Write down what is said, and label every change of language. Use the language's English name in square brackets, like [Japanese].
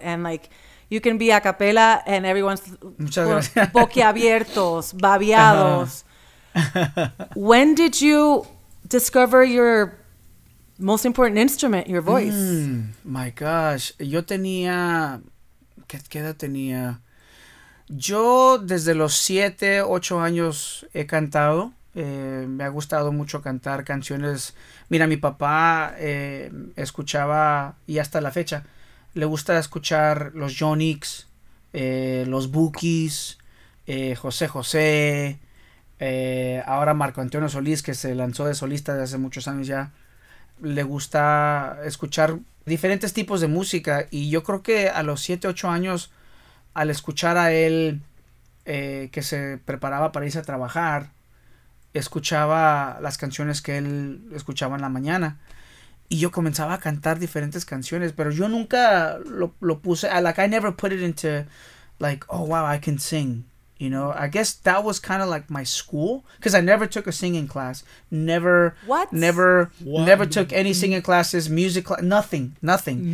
[English] And like, you can be a cappella and everyone's [Spanish] boquiabiertos, babiados. [English] When did you discover your most important instrument, your voice? My gosh. [Spanish] Yo tenía, ¿qué edad tenía? Yo desde los 7, 8 años he cantado. Me ha gustado mucho cantar canciones. Mira, mi papá escuchaba, y hasta la fecha, le gusta escuchar los Yonix, los Bukis, José, ahora Marco Antonio Solís, que se lanzó de solista desde hace muchos años ya. Le gusta escuchar diferentes tipos de música, y yo creo que a los 7, 8 años, al escuchar a él que se preparaba para irse a trabajar, escuchaba las canciones que él escuchaba en la mañana. Y yo comenzaba a cantar diferentes canciones, pero yo nunca lo puse. [English] I never put it into, like, oh, wow, I can sing. You know, I guess that was kind of like my school, because I never took a singing class. Never. What? Never took any singing classes, music, nothing, nothing.